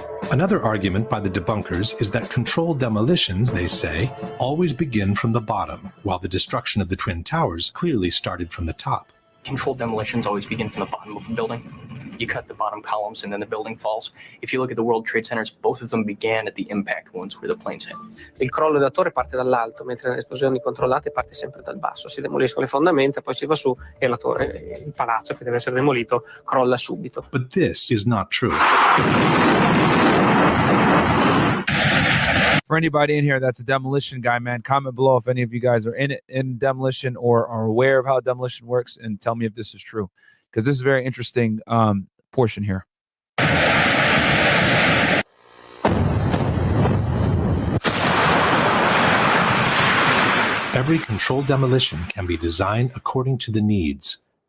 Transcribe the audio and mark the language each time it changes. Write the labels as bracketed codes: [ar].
[en] Another argument by the debunkers is that controlled demolitions, they say, always begin from the bottom, while the destruction of the Twin Towers clearly started from the top. Controlled demolitions always begin from the bottom of a building. You cut the bottom columns and then the building falls. If you look at the World Trade Centers, both of them began at the impact ones where the planes hit. [it] Il crollo della torre parte dall'alto, mentre le esplosioni controllate parte sempre dal basso. Si demoliscono le fondamenta, poi si va su e la torre, il palazzo che deve essere demolito, crolla subito. [en] But this is not true. For anybody in here that's a demolition guy, man, comment below if any of you guys are in demolition or are aware of how demolition works and tell me if this is true. Because this is a very interesting portion here. Every controlled demolition can be designed according to the needs.